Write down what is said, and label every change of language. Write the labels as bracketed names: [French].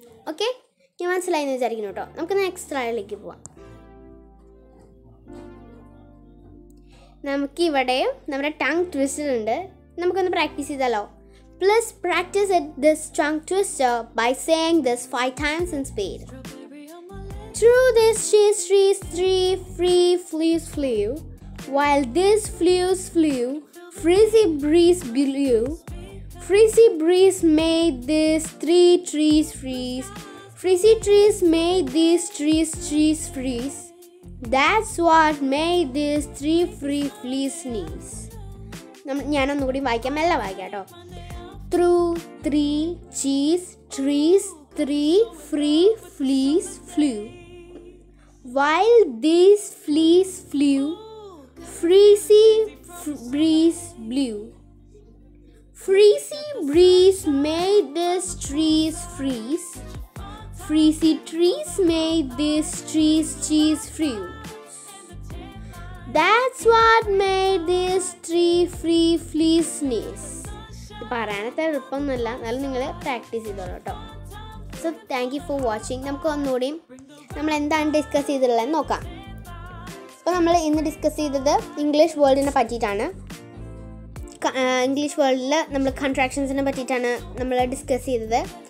[Malayalam] Okay, ഞാൻ മനസ്സിലായെന്ന് വിചാരിക്കുന്നു കേട്ടോ. നമുക്ക് നെക്സ്റ്റ് സ്ലൈഡിലേക്ക് പോവാം. നമുക്കിവിടെ നമ്മുടെ ടങ് ട്വിസ്റ്റർ ഉണ്ട്, നമുക്കൊന്ന് പ്രാക്ടീസ് ചെയ്താലോ. [English] Please practise it this tongue twister by saying this five times in speed. Through this she streets three free flees flew, while this flews flew, frizzy breeze blew, frizzy breeze made this three trees freeze, frizzy trees made these trees freeze, that's what made this three free flees sneeze. [Malayalam] ഞാൻ ഒന്നുകൂടി വായിക്കാം, മെല്ല വായിക്കാം കേട്ടോ. [English] Through three cheese trees three free flees flew, while these fleas flew, freezy breeze blew, freezy breeze made these trees freeze, freezy trees made these trees freeze, that's what made this tree free flee sneeze. [Malayalam] പറയാനത്തെ എളുപ്പമൊന്നുമല്ല, എന്നാലും നിങ്ങൾ practice ചെയ്തോളൂ കേട്ടോ. [English] So thank you for watching. [Malayalam] നമുക്ക് ഒന്നുകൂടി നമ്മൾ എന്താണ് discuss ചെയ്തിട്ടുള്ളത് നോക്കാം. ഇപ്പോൾ നമ്മൾ ഇന്ന് ഡിസ്കസ് ചെയ്തത് ഇംഗ്ലീഷ് വേൾഡിനെ പറ്റിയിട്ടാണ്. ഇംഗ്ലീഷ് വേൾഡിൽ നമ്മൾ കൺട്രാക്ഷൻസിനെ പറ്റിയിട്ടാണ് നമ്മൾ ഡിസ്കസ് ചെയ്തത്.